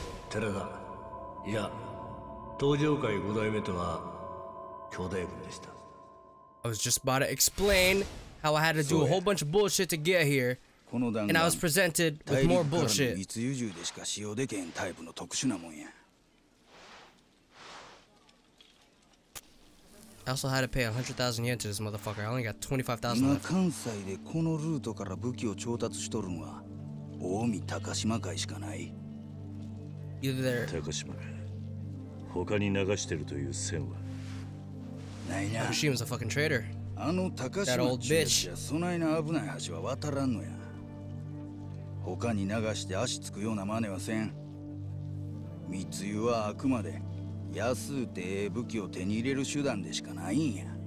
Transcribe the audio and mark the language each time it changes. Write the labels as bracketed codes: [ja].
[ja] 寺田、いや、東条会五代目とは兄弟分でした。 [en] I was just about to explain how I had to do a whole bunch of bullshit to get here, and I was presented with more bullshit. [ja] 密輸銃でしか使用できんタイプの特殊なもんや。 [en] I also had to pay 100,000 yen to this motherfucker. I only got 25,000. [ja] 今関西でこのルートから武器を調達しとるんは、近江高島会しかない。 [en] Either there. I assume he's a fucking traitor. That old bitch. [ja] そないな危ない橋は渡らんのや。他に流して足つくような真似はせん。密輸はあくまで安うて武器を手に入れる手段でしかないんや。